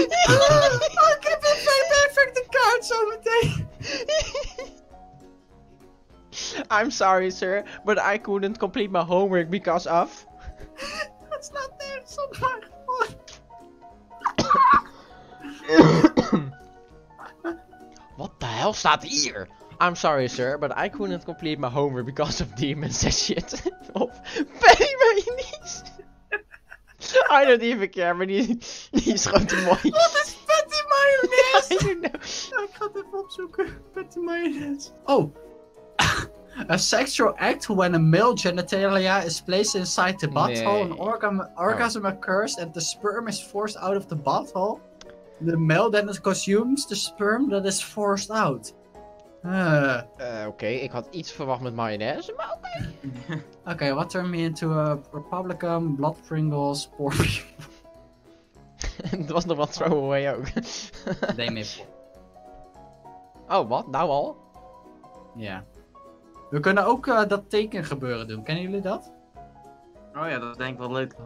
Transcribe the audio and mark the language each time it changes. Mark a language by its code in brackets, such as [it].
[nl] Oh, ik heb een perfecte kaart zo meteen. [en] I'm sorry, sir, but I couldn't complete my homework because of... That's not there, it's on my phone. What the hell [nl] staat hier? [en] I'm sorry, sir, but I couldn't complete my homework because of demons and shit. Of Pettymanies. I don't even care, [nl] maar die is gewoon te mooi. [en] What is Pettymanies? I don't know. [nl] Ik ga het even opzoeken. [en] Pettymanies. Oh. A sexual act when a male genitalia is placed inside the butthole, [nl] nee. [en] an orgasm occurs and the sperm is forced out of the butthole. The male then consumes the sperm that is forced out. [nl] Okay, ik had iets verwacht met mayonaise, maar oké. [en] Okay, what turned me into a Republican, blood Pringles, pork? [nl] Het was nog wat throwaway ook. [en] They missed. [nl] Oh, wat? Nou al? Ja. Yeah. We kunnen ook dat teken gebeuren doen. Kennen jullie dat? Oh ja, dat is denk ik wel leuk.